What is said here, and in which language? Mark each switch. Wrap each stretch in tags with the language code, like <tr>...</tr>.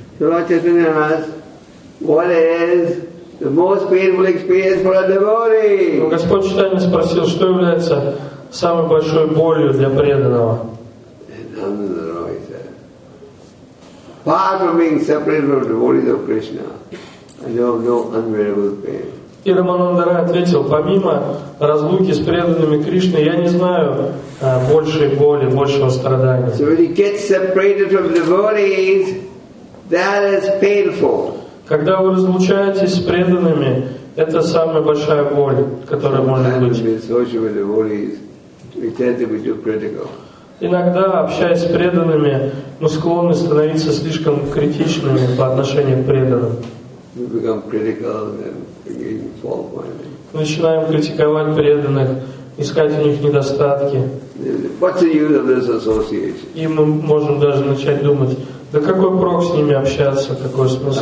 <en>So Lord Chaitanya asked, what is the most painful experience for a devotee?</en> <ru>Господь Чайтанья спросил, что является самой большой болью для преданного.</ru> <en>Apart from being separated from devotees of Krishna, I know of no unbearable pain.</en> <ru>И Рамананда Рай ответил, помимо разлуки с преданными Кришны, я не знаю большей боли, большего страдания.</ru> <en>So when you get separated from devotees, that is painful.</en> <ru>Когда вы разлучаетесь с преданными, это самая большая боль, которая может быть.</ru> <en>Sometimes when we associate with devotees, we tend to be too critical.</en> <ru>Иногда, общаясь с преданными, мы склонны становиться слишком критичными по отношению к преданным.</ru> <en>We become critical and again fault finding.</en> <ru>Начинаем критиковать преданных, искать у них недостатки.</ru> <en>What's the use of this association?</en> <ru>И мы можем даже начать думать, да какой прок с ними общаться, какой смысл?</ru>